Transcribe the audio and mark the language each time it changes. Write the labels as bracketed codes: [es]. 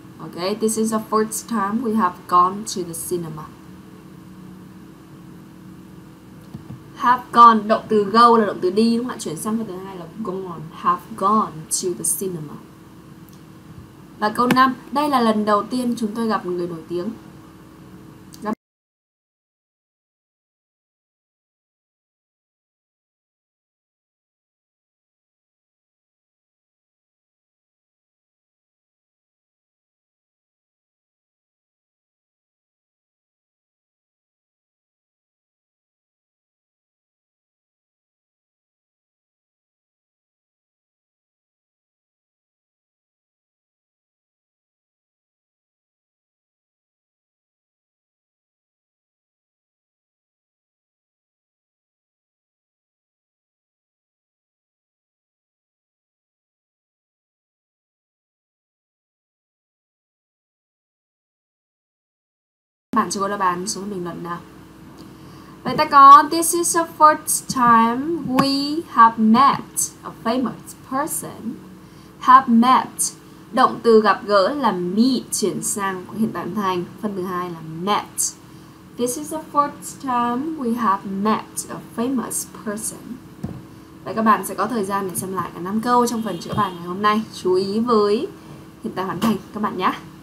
[en] Okay, this is the first time we have gone to the cinema. Have gone, [vi] động từ go là động từ đi, đúng không ạ? Chuyển sang phần thứ hai là gone. [en] Have gone to the cinema. [vi] Và câu 5, đây là lần đầu tiên chúng tôi gặp một người nổi tiếng. Bạn chưa có đáp án xuống bình luận nào. Vậy ta có [en] this is the first time we have met a famous person. Have met, [vi] động từ gặp gỡ là meet, chuyển sang hiện tại thành phân thứ hai là met. [en] This is the first time we have met a famous person. [vi] Vậy các bạn sẽ có thời gian để xem lại cả 5 câu trong phần chữa bài ngày hôm nay. Chú ý với hiện tại hoàn thành các bạn nhé.